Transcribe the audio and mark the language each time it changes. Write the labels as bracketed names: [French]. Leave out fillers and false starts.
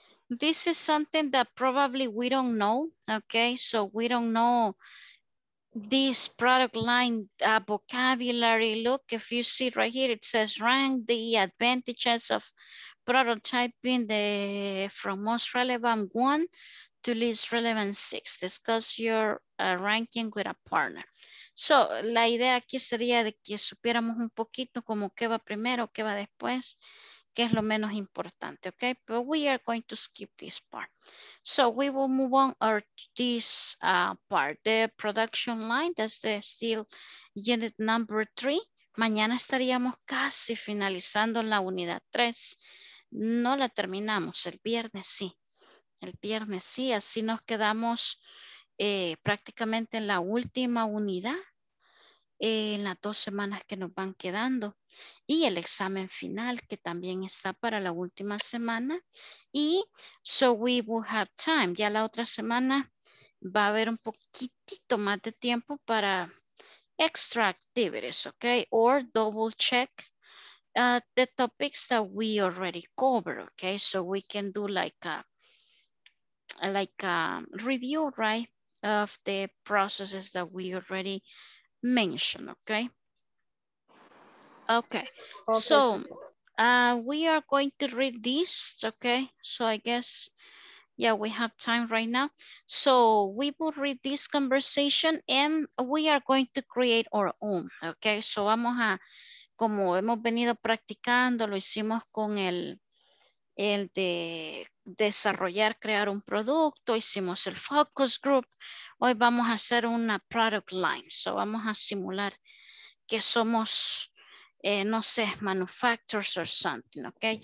[English] This is something that probably we don't know. Ok, so we don't know this product line vocabulary. Look, if you see right here, it says rank the advantages of prototyping the from most relevant one to least relevant six. Discuss your ranking with a partner. [Spanish] So, la idea aquí sería de que supiéramos un poquito como qué va primero, qué va después, qué es lo menos importante, okay? [English] But we are going to skip this part. So, we will move on to this part, the production line, that's the still unit number three. [Spanish] Mañana estaríamos casi finalizando la unidad tres. No la terminamos, el viernes sí. El viernes sí, así nos quedamos prácticamente en la última unidad en las dos semanas que nos van quedando. Y el examen final, que también está para la última semana. Y [English] so we will have time. [Spanish] Ya la otra semana va a haber un poquitito más de tiempo para extra activities, okay? [English] Or double check the topics that we already covered, okay? So we can do like a review, right? Of the processes that we already mentioned, okay? Okay, so we are going to read this, okay? So I guess, yeah, we have time right now. So we will read this conversation and we are going to create our own, okay? [Spanish] So vamos a, como hemos venido practicando, lo hicimos con el de desarrollar, crear un producto, hicimos el focus group. Hoy vamos a hacer una product line. So vamos a simular que somos, no sé, [English] manufacturers or something, [Spanish] okay?